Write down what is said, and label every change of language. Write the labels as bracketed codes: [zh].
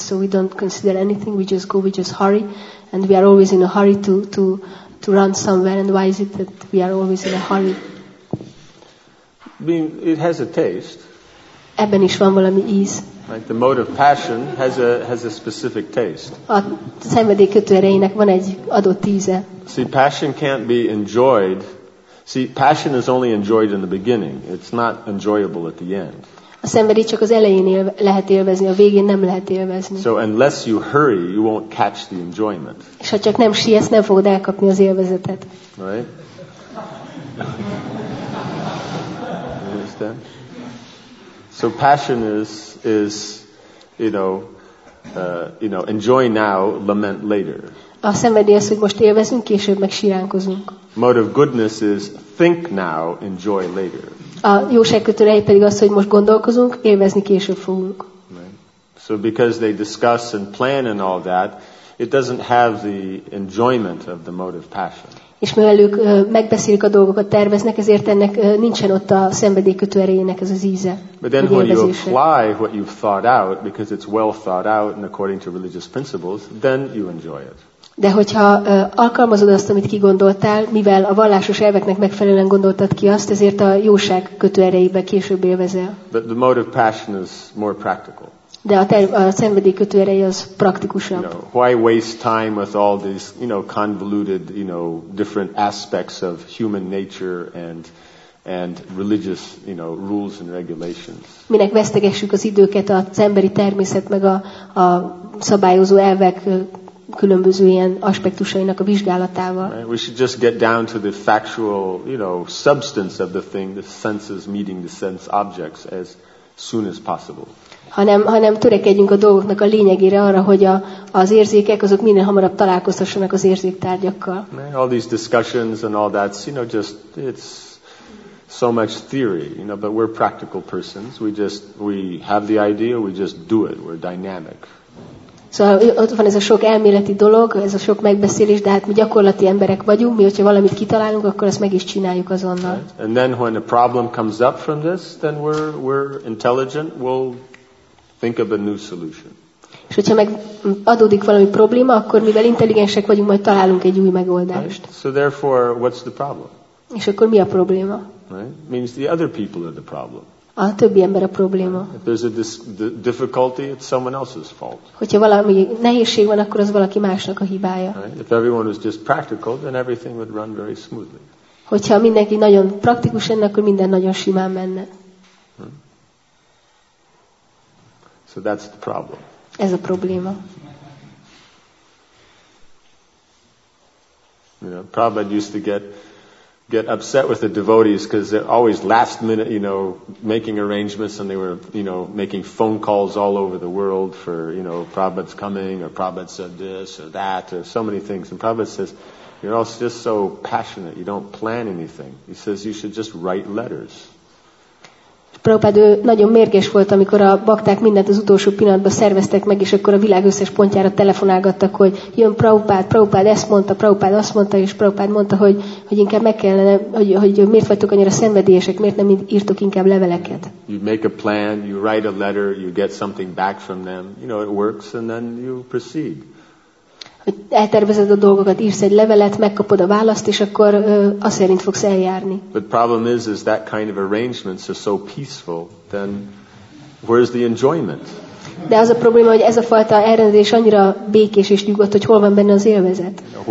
[en] So we don't consider anything. We just go, we just hurry. And we are always in a hurry to run somewhere. And why is it that we are always in a hurry? It has a taste. [hu] Ebben is van valami íz. [en] Like the mode of passion has a specific taste. [hu] A szenvedély kötőereinek van egy adott íze. [en] See, passion can't be enjoyed. See, passion is only enjoyed in the beginning. It's not enjoyable at the end. [hu] A szenvedély csak az elején lehet élvezni, a végén nem lehet élvezni. [en] So unless you hurry, you won't catch the enjoyment. [hu] És ha csak nem siessz, nem fogod elkapni az élvezetet. [en] Right? Understand? So passion is you know enjoy now, lament later. [hu] A szenvedély az, hogy most élvezünk, később meg síránkozunk. [en] Mode of goodness is think now, enjoy later. [hu] A jóságkötőrei pedig az, hogy most gondolkozunk, élvezni később fogunk. [en] Right. So because they discuss and plan and all that, it doesn't have the enjoyment of the mode of passion. [hu] És mivel ők megbeszélik a dolgokat, terveznek, ezért ennek nincsen ott a szenvedélykötő erejének ez az íze. [en] But then when you apply what you've thought out, because it's well thought out and according to religious principles, then you enjoy it. [hu] De hogyha alkalmazod azt, amit kigondoltál, mivel a vallásos elveknek megfelelően gondoltad ki azt, ezért a jóság kötő erejébe később élvezel. [en] But the mode of passion is more practical. [hu] De a szenvedély kötő ereje az praktikusabb. [en] You know, why waste time with all these, you know, convoluted, you know, different aspects of human nature and religious, you know, rules and regulations? [hu] Minek vesztegessük az időket az emberi természet meg a szabályozó elvek különböző ilyen aspektusainak a vizsgálatával? [en] Right? We should just get down to the factual, you know, substance of the thing, the senses meeting the sense objects as soon as possible. [hu] Hanem törekedjünk a dolgoknak a lényegére, arra, hogy az érzékek azok minél hamarabb találkoztassanak az érzéktárgyakkal. [en] All these discussions and all that, you know, just it's so much theory, you know, but we're practical persons. We have the idea, we just do it. We're dynamic. [hu] Szóval ott van ez a sok elméleti dolog, ez a sok megbeszélés, de hát mi gyakorlati emberek vagyunk, mi hogyha valamit kitalálunk, akkor azt meg is csináljuk azonnal. [en] Right? And then when a problem comes up from this, then we're intelligent, we'll think of a new solution. [hu] És hogyha meg adódik valami probléma, akkor mivel intelligensek vagyunk, majd találunk egy új megoldást. [en] Right? So therefore, what's the problem? [hu] És akkor mi a probléma? [en] Right? Means the other people are the problem. [hu] A többi ember a probléma. [en] If there's a difficulty, it's someone else's fault. [hu] Hogyha valami nehézség van, akkor az valaki másnak a hibája. [en] Right? If everyone was just practical, then everything would run very smoothly. [hu] Hogyha mindenki nagyon praktikus lenne, akkor minden nagyon simán menne. [en] So that's the problem. [hu] Ez a probléma. [en] You know, Prabhupada used to get upset with the devotees because they're always last minute, you know, making arrangements, and they were, you know, making phone calls all over the world for, you know, Prabhupada's coming, or Prabhupada said this or that, or so many things. And Prabhupada says, You're all just so passionate. You don't plan anything. He says you should just write letters. [hu] Prabhupád nagyon mérges volt, amikor a bakták mindent az utolsó pillanatban szerveztek meg, és akkor a világ összes pontjára telefonálgattak, hogy jön Prabhupád, Prabhupád ezt mondta, Prabhupád azt mondta, és Prabhupád mondta, hogy inkább meg kellene, hogy miért vagytok annyira szenvedélyesek, miért nem írtok inkább leveleket. [en] You make a plan, you write a letter, you get something back from them, you know, it works, and then you proceed. [hu] Hogy eltervezed a dolgokat, írsz egy levelet, megkapod a választ, és akkor azt szerint fogsz eljárni. [en] The problem is that kind of arrangements are so peaceful, then where's the enjoyment? [hu] De az a probléma, hogy ez a fajta elrendezés annyira békés és nyugodt, hogy hol van benne az élvezet?